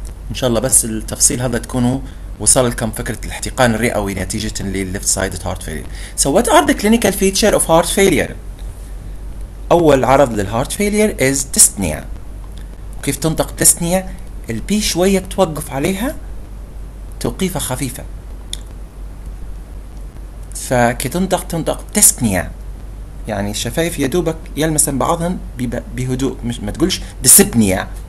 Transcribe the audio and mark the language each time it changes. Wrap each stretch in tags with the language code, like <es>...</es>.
<ar>إن شاء الله بس التفصيل هذا تكونوا وصل لكم فكرة الاحتقان الرئوي نتيجة left-sided heart failure.</ar> <en>So what are the clinical features of heart failure?</en> <ar>أول عرض لل</ar> <en>heart failure is dyspnea.</en> <ar>وكيف تنطق dyspnea؟ البي شوية توقف عليها توقيفة خفيفة. فكي تنطق تنطق dyspnea. يعني الشفايف يدوبك يلمسن بعضهم بهدوء مش ما تقولش dyspnea.</ar>